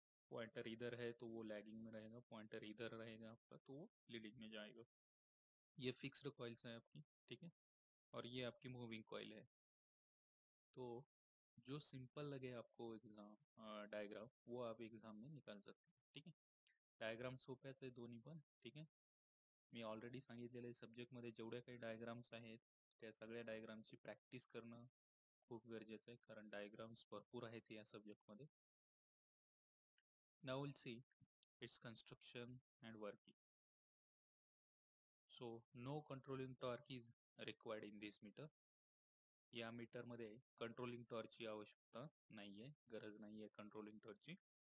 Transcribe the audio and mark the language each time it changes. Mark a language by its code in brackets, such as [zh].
[hi] Pointer इधर है तो वो लैगिंग में रहेगा, पॉइंटर इधर रहेगा आपका तो वो लीडिंग में जाएगा। ये फिक्स्ड कॉइल्स है आपकी, ठीक है, और ये आपकी मूविंग कॉइल है। तो जो सिंपल लगे आपको एग्जाम डायग्राम, वो आप एग्जाम में निकाल सकते हैं, ठीक है। [mr] डायग्राम सोपे आहे दोन्ही पण, [hi] ठीक है। [mr] मी ऑलरेडी सांगितलेले सब्जेक्ट मध्ये जेवढे काही डायग्राम्स आहेत, त्या सगळ्या डायग्रामची प्रॅक्टिस करणं खूप गरजेचं आहे, कारण डायग्राम्स भरपूर आहेत या सब्जेक्ट मध्ये। [en] Now will see its construction and working. So no controlling torque is required in this meter. [mr] या मीटर मध्ये कंट्रोलिंग टॉर्चची आवश्यकता नाही आहे, गरज नाही आहे कंट्रोलिंग टॉर्चची।